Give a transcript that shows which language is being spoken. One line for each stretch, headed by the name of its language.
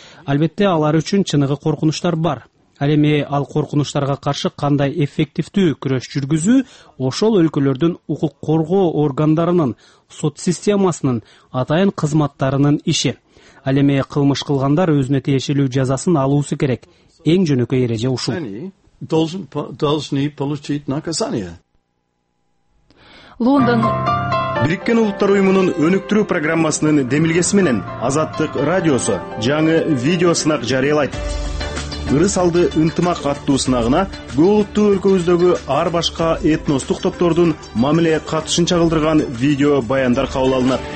Kyrgyz: Албетте, алар үчүн чыныгы коркунучтар бар. Ал эми ал коркунучтарга каршы кандай эффективдүү күрөш жүргүзүү ошол өлкөлөрдүн укук коргоо органдарынын, сот системасынын, атайын кызматтарынын иши. Ал эми кылмыш кылгандар өзүнө тиешелүү жазасын алуусу керек. Эң жөнөкөй эреже ушул.
Russian: Должны получить наказание.
Kyrgyz: Лондон Бириккен улуттар уюмунун өнүктүрүү программасынын демилгеси менен Азаттык радиосу жаңы видео сынак жарыялайт. ырыс алды ынтымак аттуу сынагына көөлүктүү өлкөбүздөгү ар башка этностук топтордун мамиле катышын чагылдырган видео баяндар кабыл алынат.